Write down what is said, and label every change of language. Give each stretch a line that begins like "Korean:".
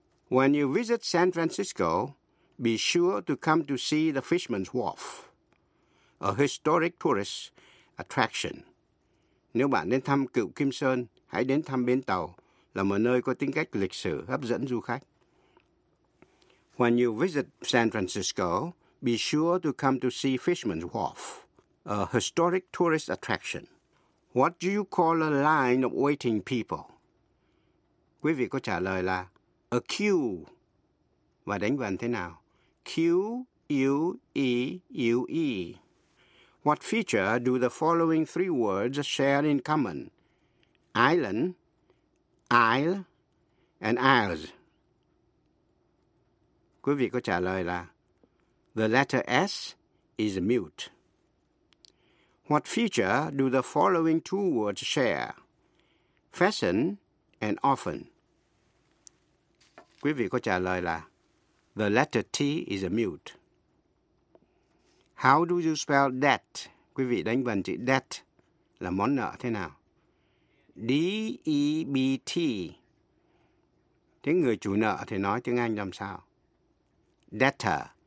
English: When you visit San Francisco, be sure to come to see the Fisherman's Wharf, a historic tourist attraction.
Vietnamese: Nếu bạn đến thăm Cựu Kim Sơn, hãy đến thăm bến tàu, là một nơi có tính cách lịch sử hấp dẫn du khách.
English: When you visit San Francisco, be sure to come to see Fisherman's Wharf, a historic tourist attraction. What do you call a line of waiting people?
Vietnamese: Quý vị có trả lời là a queue. Và đánh vần thế nào? Q-U-E-U-E.
English: What feature do the following three words share in common? Island, isle, and isles.
Vietnamese: Quý vị có trả lời là
English: the letter S is mute. What feature do the following two words share? Fashion and often.
Vietnamese: Quý vị có trả lời là
English: the letter T is a mute. How do you spell debt?
Vietnamese: Quý vị đánh vần chữ debt là món nợ thế nào? D-E-B-T. Tiếng người chủ nợ thì nói tiếng Anh làm sao? Debtor.